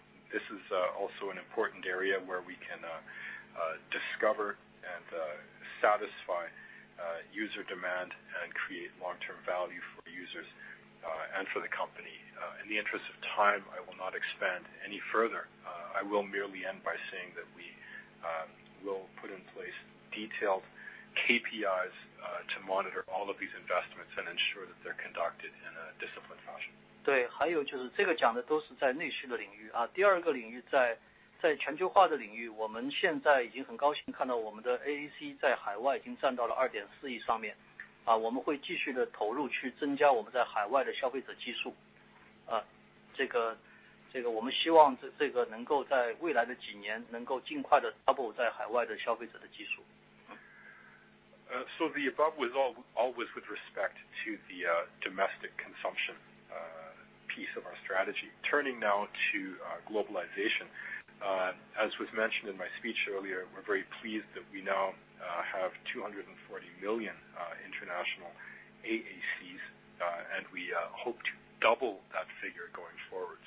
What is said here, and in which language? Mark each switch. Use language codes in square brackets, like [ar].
[en] This is also an important area where we can discover and satisfy user demand and create long-term value for users and for the company. In the interest of time, I will not expand any further. I will merely end by saying that we will put in place detailed KPIs to monitor all of these investments and ensure that they're conducted in a disciplined fashion. [zh] 对，还有就是这个讲的都是在内需的领域啊。第二个领域在全球化的领域，我们现在已经很高兴看到我们的 AAC 在海外已经占到了 2.4 亿上面啊，我们会继续的投入去增加我们在海外的消费者基数啊，这个我们希望这个能够在未来的几年能够尽快的 double 在海外的消费者的基数。 [en] So the above was always with respect to the domestic consumption piece of our strategy. Turning now to globalization, as was mentioned in my speech earlier, we're very pleased that we now have 240 million international AACs, and we hope to double that figure going forward.